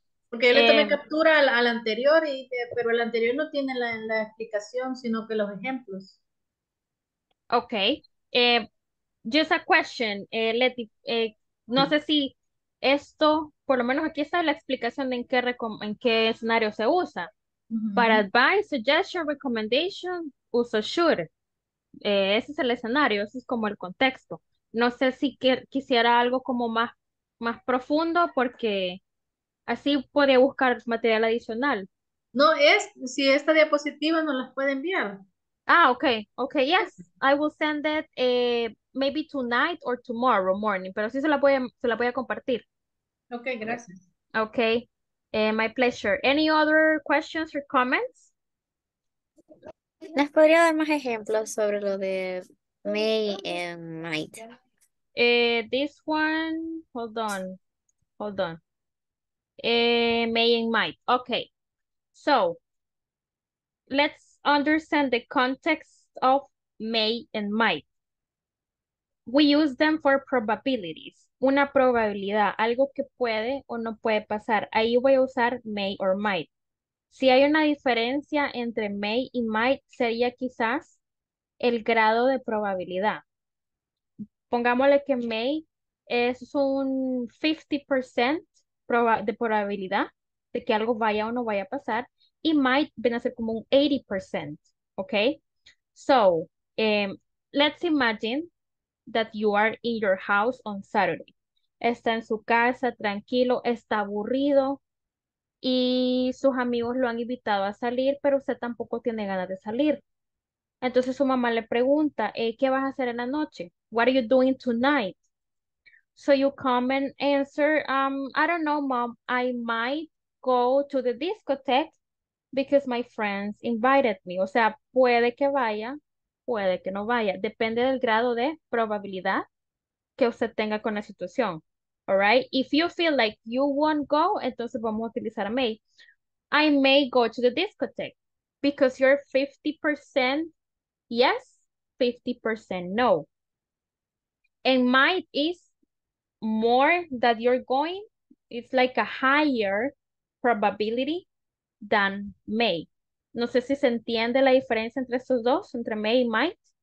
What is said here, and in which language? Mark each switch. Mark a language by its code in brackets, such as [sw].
[es] Porque yo le tomé captura al anterior, pero el anterior no tiene la explicación, sino que los ejemplos. [en] Ok. Just a question, Leti. [es] No sé si esto, por lo menos aquí está la explicación de en qué escenario se usa. Para advice, suggestion, recommendation, uso should. Ese es el escenario, ese es como el contexto. No sé si quisiera algo como más profundo porque así podría buscar material adicional. No, es si esta diapositiva nos la puede enviar. [en] Ah, okay, yes. I will send it maybe tonight or tomorrow morning, [es] pero sí se la voy a compartir. Okay, gracias. [en] Okay. My pleasure. Any other questions or comments? [es] ¿Nos podría dar más ejemplos sobre lo de may and might? [en] This one, hold on. May and might, okay. So, let's understand the context of may and might. We use them for probabilities. [es] Una probabilidad, algo que puede o no puede pasar. Ahí voy a usar may or might. Si hay una diferencia entre may y might, sería quizás el grado de probabilidad. Pongámosle que may es un 50% de probabilidad de que algo vaya o no vaya a pasar, y might viene a ser como un 80%, ¿ok? [en] So, let's imagine that you are in your house on Saturday. [es] Está en su casa, tranquilo, está aburrido, y sus amigos lo han invitado a salir, pero usted tampoco tiene ganas de salir. Entonces su mamá le pregunta, ¿qué vas a hacer en la noche? [en] What are you doing tonight? So you come and answer, I don't know, mom, I might go to the discotheque because my friends invited me. [es] O sea, puede que vaya, puede que no vaya. Depende del grado de probabilidad que usted tenga con la situación. [en] All right. If you feel like you won't go, [es] entonces vamos a utilizar a may. [en] I may go to the discotheque because you're 50% yes, 50% no. And might is more that you're going. It's like a higher probability than may. [es] No sé si se entiende la diferencia entre estos dos, entre may y might.